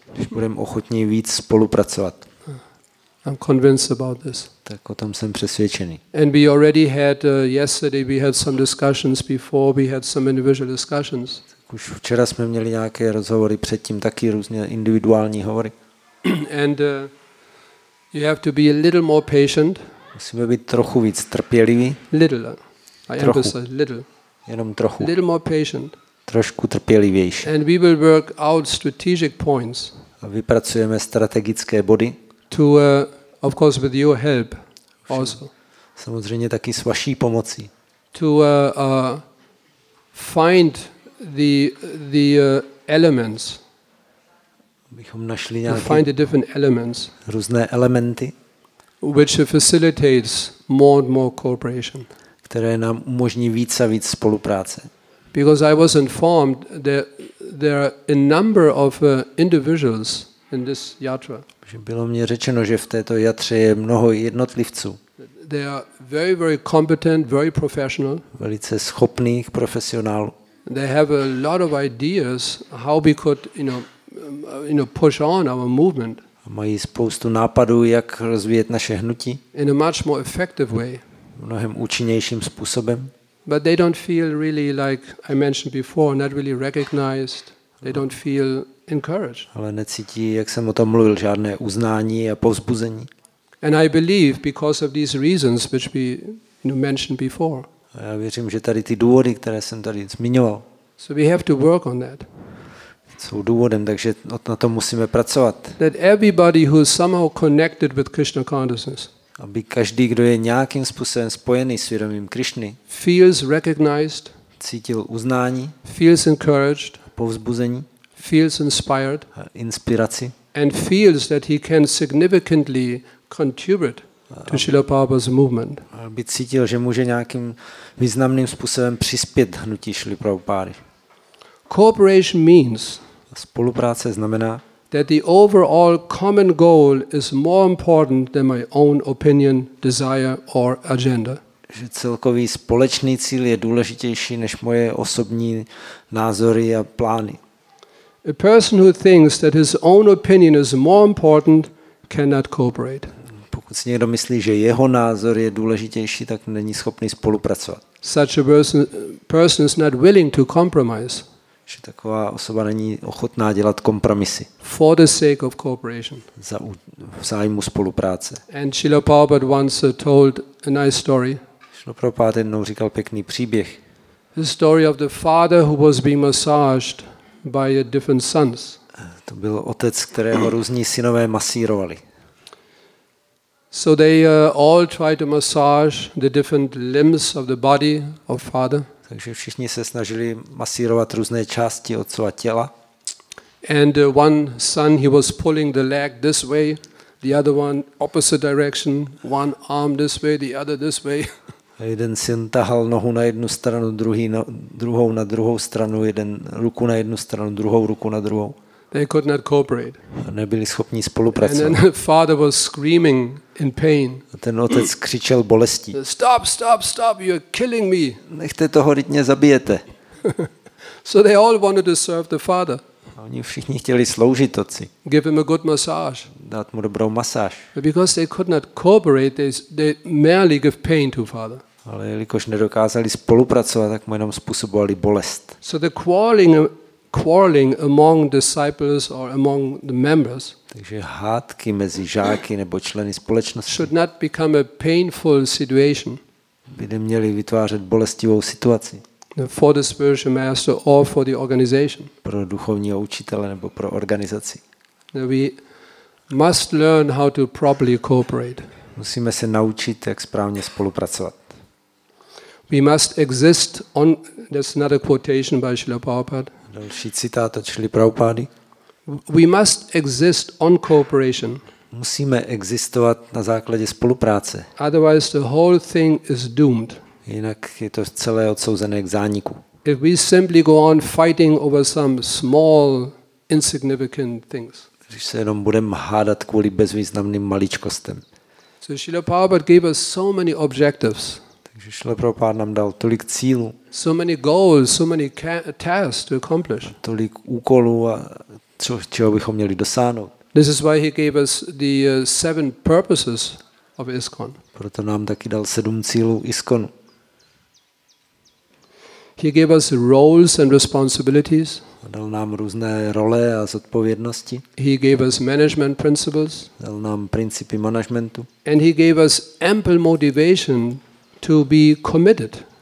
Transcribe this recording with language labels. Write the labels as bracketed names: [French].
[Czech] Když budeme ochotní víc spolupracovat. [English] I'm convinced about this. [Czech] Tak o tom jsem přesvědčený. [English] And we already had yesterday we had some discussions before we had some individual discussions. [Czech] Tak už včera jsme měli nějaké rozhovory předtím taky různě individuální hovory. [English] And you have to be a little more patient. [Czech] Musíme být trochu víc trpěliví. [English] Little. [Czech] Trochu. [English] I emphasize little. [Czech] Jenom trochu. [English] Little more patient. [Czech] Trošku trpělivější. [English] And we will work out strategic points. [Czech] A vypracujeme strategické body. [English] To of course with your help also. [Czech] Samozřejmě taky s vaší pomocí. [English] To find the elements. [Czech] Abychom našli nějaké. [English] To find the different elements. [Czech] Různé elementy. [English] Which facilitates more and more cooperation. [Czech] Které nám umožní víc a víc spolupráce. [English] Because I was informed that there are a number of individuals in this yatra. [Czech] Bylo mně řečeno, že v této jatře je mnoho jednotlivců. [English] They are very very competent, very professional. [Czech] Velice schopných profesionálů. [English] They have a lot of ideas how we could, you know, push on our movement. [Czech] Mají spoustu nápadů, jak rozvíjet naše hnutí. [English] In a much more effective way. [Czech] Mnohem účinnějším způsobem. [English] But they don't feel really like I mentioned before, not really recognized. They don't feel encouraged. [Czech] Ale necítí, jak jsem o tom mluvil, žádné uznání a povzbuzení. [English] And I believe because of these reasons which we mentioned before. [Czech] A já věřím, že tady ty důvody, které jsem tady zmiňoval. [English] So we have to work on that. [Czech] Jsou důvodem, takže na tom musíme pracovat. [English] That everybody who is somehow connected with Krishna consciousness. [Czech] Aby každý, kdo je nějakým způsobem spojený s vědomím Krišny, [English] feels recognized, [Czech] cítil uznání, [English] feels encouraged, [Czech] povzbuzení, [English] feels inspired, [Czech] inspiraci, [English] and feels that he can significantly contribute to Srila Prabhupada's movement. [Czech] Aby cítil, že může nějakým významným způsobem přispět hnutí Srily Prabhupády. [English] Cooperation means, [Czech] spolupráce znamená, [English] that the overall common goal is more important than my own opinion, desire or agenda. [Czech] Že celkový společný cíl je důležitější než moje osobní názory a plány. [English] A person who thinks that his own opinion is more important cannot cooperate. [Czech] Pokud si někdo myslí, že jeho názor je důležitější, tak není schopný spolupracovat. [English] Such a person is not willing to compromise. [Czech] Že taková osoba není ochotná dělat kompromisy. [English] For the sake of cooperation. [Czech] Za zájmu spolupráce. [English] And Srila Prabhupada once told a nice story. [Czech] Srila Prabhupada jednou říkal pěkný příběh. [English] The story of the father who was being massaged by different sons. [Czech] To byl otec, kterého různí synové masírovali. [English] So they all tried to massage the different limbs of the body of father. [Czech] Takže všichni se snažili masírovat různé části otcova těla. [English] And one son, he was pulling the leg this way, the other one opposite direction, one arm this way, the other this way. [Czech] A jeden syn tahal nohu na jednu stranu, druhý na druhou, na druhou stranu, jeden ruku na jednu stranu, druhou ruku na druhou. [English] They could not cooperate. [Czech] Nebyli schopni spolupracovat. [English] And then the father was screaming in pain. [Czech] A ten otec křičel bolestí. [English] Stop, stop, stop, you're killing me. [Czech] Nechte toho, teď mě zabijete. [English] So they all wanted to serve the father. [Czech] Oni všichni chtěli sloužit otci. [English] Give him a good massage. [Czech] Dát mu dobrou masáž. [English] But because they could not cooperate, they merely give pain to father. [Czech] Ale jelikož nedokázali spolupracovat, tak mu jenom způsobovali bolest. [English] So the quarreling among disciples or among the members. [Czech] Takže hádky mezi žáky nebo členy společnosti. [English] Should not become a painful situation. [Czech] By neměly vytvářet bolestivou situaci. [English] For the spiritual master or for the organization. [Czech] Pro duchovního učitele nebo pro organizaci. [English] We must learn how to properly cooperate. [Czech] Musíme se naučit, jak správně spolupracovat. [English] We must exist on. That's another quotation by Srila Prabhupada. [Czech] Další citát od Srily Prabhupády. [English] We must exist on cooperation. [Czech] Musíme existovat na základě spolupráce. [English] Otherwise the whole thing is doomed. [Czech] Jinak je to celé odsouzené k zániku. [English] If we simply go on fighting over some small insignificant things. [Czech] Když se jenom budeme hádat kvůli bezvýznamným maličkostem. [English] So Srila Prabhupada gave us so many objectives. [Czech] Takže Srila Prabhupada nám dal tolik cílů. [English] So many goals, so many tasks to accomplish. [Czech] Tolik úkolů a čeho bychom měli dosáhnout. [English] This is why he gave us the seven purposes of ISKCON. [Czech] Proto nám taky dal sedm cílů ISKCON. [English] He gave us roles and responsibilities. [Czech] Dal nám různé role a zodpovědnosti. [English] He gave us management principles. [Czech] Dal nám principy managementu. [English] And he gave us ample motivation to be committed.